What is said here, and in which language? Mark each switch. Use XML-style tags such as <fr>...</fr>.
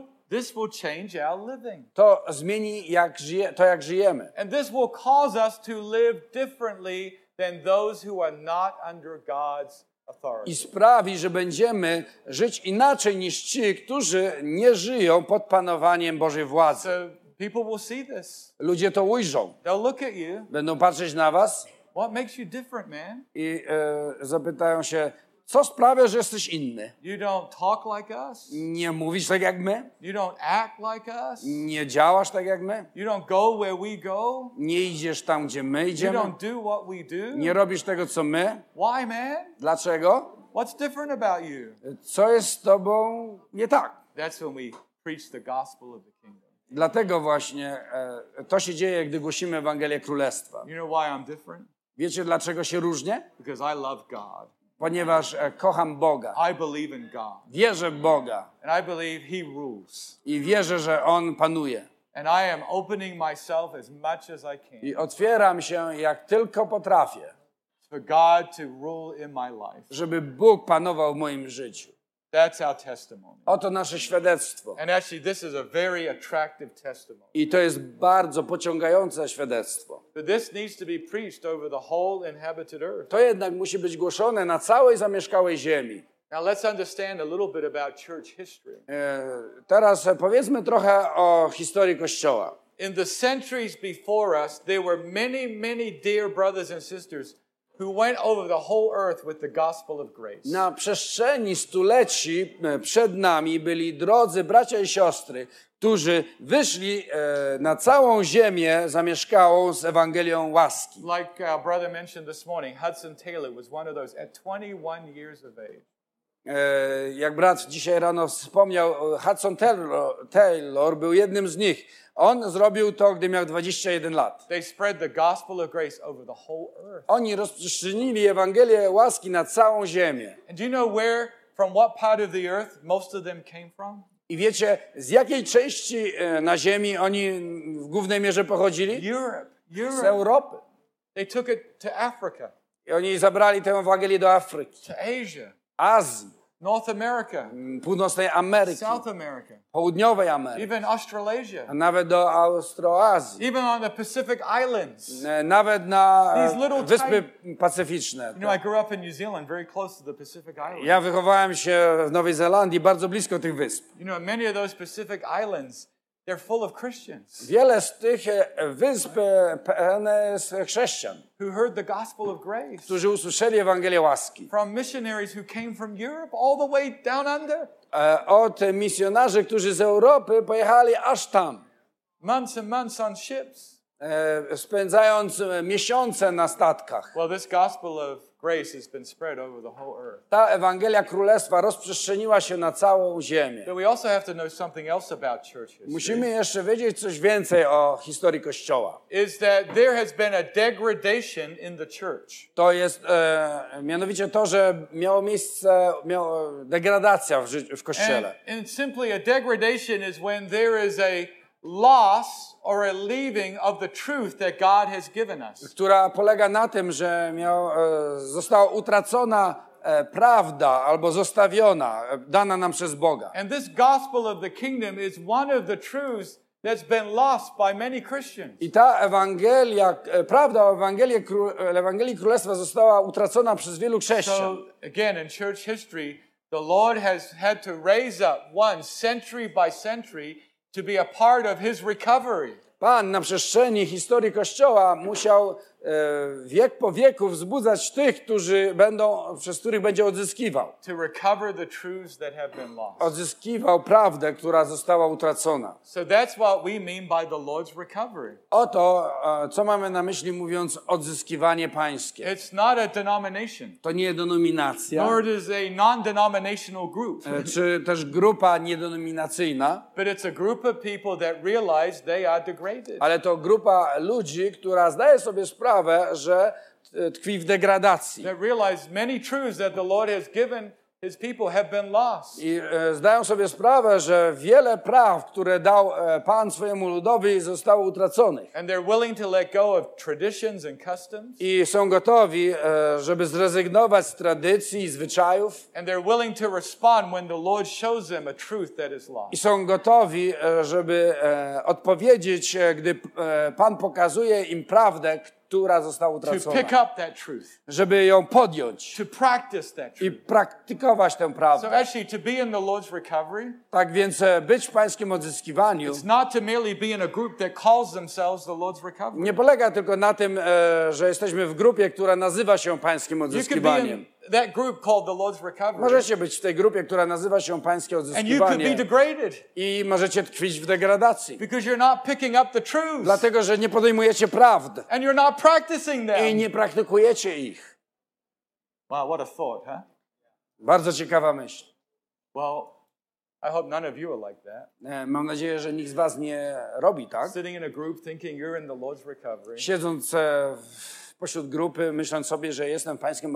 <en>this will change our living.</en> <pl>To zmieni jak żyjemy.</pl> <en>And this will cause us to live differently than those who are not under God's authority.</en> <pl>I sprawi, że będziemy żyć inaczej niż ci, którzy nie żyją pod panowaniem Bożej władzy.</pl> <en>People will see this.</en> <pl>Ludzie to ujrzą.</pl> <en>They'll look at you.</en> <pl>Będą patrzeć na was.</pl> <en>What makes you different, man?</en> <pl>I zapytają się, Co sprawia, że jesteś inny?</pl> <en>You don't talk like us.</en> <pl>Nie mówisz tak jak my?</pl> <en>You don't act like us.</en> <pl>Nie działasz tak jak my?</pl> <en>You don't go where we go.</en> <pl>Nie idziesz tam, gdzie my idziemy?</pl> <en>You don't do what we do.</en> <pl>Nie robisz tego, co my?</pl> <en>Why, man?</en> <pl>Dlaczego?</pl> <en>What's different about you?</en> <pl>Co jest z tobą nie tak?</pl> <en>That's when we preach the gospel of the kingdom.</en> <pl>Dlatego właśnie to się dzieje, gdy głosimy Ewangelię Królestwa.</pl> <en>You know why I'm different?</en> <pl>Wiecie, dlaczego się różnię?</pl> <en>Because I love God.</en> <pl>Ponieważ kocham Boga.</pl> <en>I believe in God.</en> <pl>Wierzę w Boga.</pl> <en>And I believe he rules.</en> <pl>I wierzę, że On panuje.</pl> <en>And I am opening myself as much as I can.</en> <pl>I otwieram się, jak tylko potrafię.</pl> <en>For God to rule in my life.</en> <pl>Żeby Bóg panował w moim życiu.</pl> <en>That's our testimony.</en> <pl>Oto nasze świadectwo.</pl> <en>And actually, this is a very attractive testimony.</en> <pl>I to jest bardzo pociągające świadectwo.</pl> <en>But this needs to be preached over the whole inhabited earth.</en> <pl>To jednak musi być głoszone na całej zamieszkałej ziemi.</pl> <en>Now let's understand a little bit about church history.</en> <pl>Teraz powiedzmy trochę o historii Kościoła.</pl> <en>In the centuries before us, there were many, many dear brothers and sisters who went over the whole earth with the gospel of grace.</en> <pl>Na przestrzeni stuleci przed nami byli drodzy bracia i siostry, którzy wyszli na całą ziemię zamieszkałą z Ewangelią łaski.</pl> <en>Like our brother mentioned this morning, Hudson Taylor was one of those at 21 years of age.</en> <pl>Jak brat dzisiaj rano wspomniał, Hudson Taylor był jednym z nich. On zrobił to, gdy miał 21 lat.</pl> <en>They spread the gospel of grace over the whole earth.</en> <pl>Oni rozprzestrzenili Ewangelię łaski na całą ziemię.</pl> <en>And do you know where, from what part of the earth most of them came from?</en> <pl>I wiecie, z jakiej części na ziemi oni w głównej mierze pochodzili?</pl> <en>Europe.</en> <pl>Z Europy.</pl> <en>They took it to Africa.</en> <pl>I oni zabrali tę Ewangelię do Afryki.</pl> <en>To Asia.</en> <pl>Azji.</pl> <en>North America.</en> <pl>Północnej Ameryki.</pl> <en>South America.</en> <pl>Południowej Ameryki.</pl> <en>Even Australasia.</en> <pl>A nawet do Australazji.</pl> <en>Even on the Pacific Islands.</en> <pl>Nawet na wyspy pacyficzne.</pl> <en>You know, I grew up in New Zealand, very close to the Pacific Islands.</en> <pl>Ja wychowałem się w Nowej Zelandii, bardzo blisko tych wysp.</pl> <en>You know, many of those Pacific Islands, they're full of Christians.</en> <pl>Wiele z tych wysp pełne jest chrześcijan.</pl> <en>Who heard the gospel of grace?</en> <pl>Którzy usłyszeli Ewangelię łaski.</pl> <en>From missionaries who came from Europe all the way down under.</en> <pl>Od misjonarzy, którzy z Europy pojechali aż tam.</pl> <en>Months and months on ships.</en> <pl>Spędzając miesiące na statkach.</pl> <en>Well, this gospel of grace has been spread over the whole earth.</en> <pl>Ta Ewangelia Królestwa rozprzestrzeniła się na całą ziemię.</pl> <en>But we also have to know something else about church history.</en> <pl>Musimy jeszcze wiedzieć coś więcej o historii Kościoła.</pl> <en>Is that there has been a degradation in the church.</en> <pl>To jest mianowicie to, że miało miejsce degradacja w Kościele.</pl> <en>And simply a degradation is when there is a loss or a leaving of the truth that God has given us.</en> <pl>Która polega na tym, że została utracona prawda albo zostawiona, dana nam przez Boga.</pl> <en>And this gospel of the kingdom is one of the truths that's been lost by many Christians.</en> <pl>I ta Ewangelia, prawda o Ewangelii Królestwa została utracona przez wielu chrześcijan.</pl> <en>So again, in church history, the Lord has had to raise up one century by century to be a part of his recovery.</en> <pl>Pan na przestrzeni historii Kościoła musiał wiek po wieku wzbudzać tych, którzy będą, przez których będzie odzyskiwał.</pl> <en>To recover the truths that have been lost.</en> <pl>Odzyskiwał prawdę, która została utracona.</pl> <en>So that's what we mean by the Lord's recovery.</en> <pl>Oto, co mamy na myśli, mówiąc odzyskiwanie pańskie.</pl> <en>It's not a denomination.</en> <pl>To nie denominacja.</pl> <en>Nor is a non-denominational group.</en> <pl>Czy też grupa niedenominacyjna.</pl> <en>But it's a group of people that realize they are degraded.</en> <pl>Ale to grupa ludzi, która zdaje sobie sprawę, że tkwi w degradacji.</pl> <en>That realize many truths that the Lord has given his people have been lost.</en> <pl>I zdają sobie sprawę, że wiele praw, które dał Pan swojemu ludowi, zostało utraconych.</pl> <en>And they're willing to let go of traditions and customs.</en> <pl>I są gotowi, żeby zrezygnować z tradycji i zwyczajów.</pl> <en>And they're willing to respond when the Lord shows them a truth that is lost.</en> <pl>I są gotowi, żeby odpowiedzieć, gdy Pan pokazuje im prawdę, która została utracona.</pl> <en>To pick up that truth.</en> <pl>Żeby ją podjąć.</pl> <en>To practice that truth.</en> <pl>I praktykować tę prawdę.</pl> <en>So actually, to be in the Lord's recovery,</en> <pl>tak więc być w pańskim odzyskiwaniu,</pl> <en>it's not to merely be in a group that calls themselves the Lord's recovery.</en> <pl>Nie polega tylko na tym, że jesteśmy w grupie, która nazywa się pańskim odzyskiwaniem.</pl> <en>You can be in that group called the Lord's Recovery.</en> <pl>Możecie być w tej grupie, która nazywa się Pańskie Odzyskiwanie.</pl> <en>And you could be degraded.</en> <pl>I możecie tkwić w degradacji.</pl> <en>Because you're not picking up the truth.</en> <pl>Dlatego, że nie podejmujecie prawd.</pl> <en>And you're not practicing them.</en> <pl>I nie praktykujecie ich.</pl> <en>Wow, what a thought, huh?</en> <pl>Bardzo ciekawa myśl.</pl> <en>Well, I hope none of you are like that.</en> <pl>Mam nadzieję, że nikt z was nie robi tak.</pl> <en>Sitting in a group thinking you're in the Lord's Recovery.</en> <pl>Siedząc pośród grupy, myśląc sobie, że jestem w Pańskim</pl>